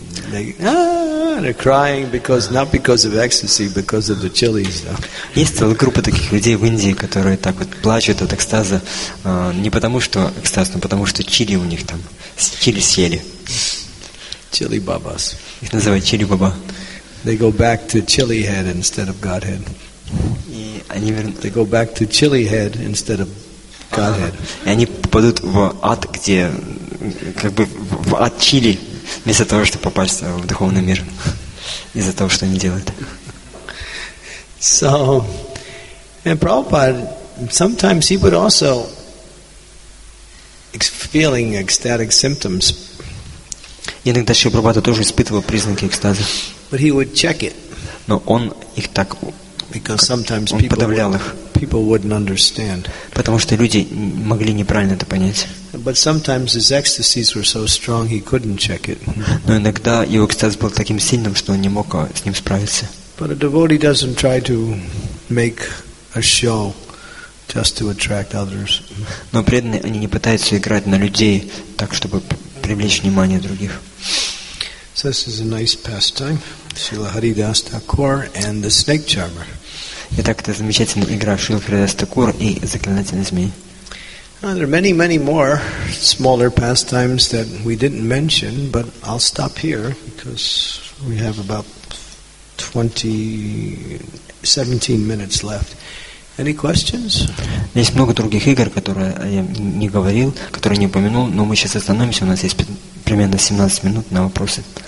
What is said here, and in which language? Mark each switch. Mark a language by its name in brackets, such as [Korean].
[English] They're crying not because of ecstasy, because of the chilies. [Russian] Есть целая группа таких людей в Индии, которые так вот плачут от экстаза, не потому что экстаз, но потому что чили у них там, чили съели. [English] Chili babas. [Russian] Их называют чили баба. [English] They go back to chili head instead of Godhead. [Russian] И они [English] They go back to chili head instead of Godhead. [Russian] И они попадут в ад, где как бы в ад чили. Вместо того, чтобы попасть в духовный мир из-за того, что они делают. [English] So, and Prabhupada, sometimes he would also feeling ecstatic symptoms. [Russian] Иногда Шри Прабхупада тоже испытывал признаки экстаза. [English] But he would check it. [Russian] Но он их так, [English] because sometimes [Russian] он подавлял их. [English] People wouldn't understand. [Russian] Потому что люди могли неправильно это понять. [English] But sometimes his ecstasies were so strong he couldn't check it. [Russian] Но иногда его экстаз был таким сильным, что он не мог с ним справиться. [English] But a devotee doesn't try to make a show just to attract others. [Russian] Но преданные, они не пытаются играть на людей так, чтобы привлечь внимание других. [English] So this is a nice pastime. Srila Haridas Thakur and the snake charmer. [Russian] Итак, это замечательная игра Шрилы Харидас Такур и заклинательный змей. [English] There are many, many more smaller pastimes that we didn't mention, but I'll stop here because we have about 17 minutes left. Any questions? [Russian] Есть много других игр, которые я не говорил, которые не упомянул, но мы сейчас остановимся. У нас есть примерно 17 минут на вопросы.